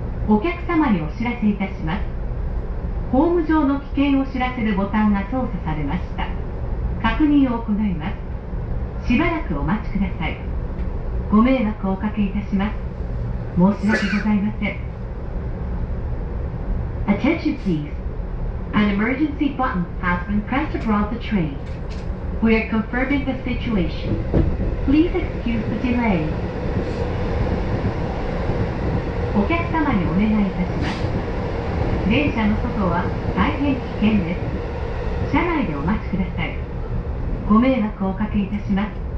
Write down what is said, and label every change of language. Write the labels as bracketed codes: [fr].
[ja] お客様にお知らせいたします。ホーム上の危険を知らせるボタンが操作されました。確認を行います。しばらくお待ちください。ご迷惑をおかけいたします。申し訳ございません。 [en] Attention please. An emergency button has been pressed aboard the train. We are confirming the situation. Please excuse the delay. [ja] お客様にお願いいたします。電車の外は大変危険です。車内でお待ちください。ご迷惑をおかけいたします。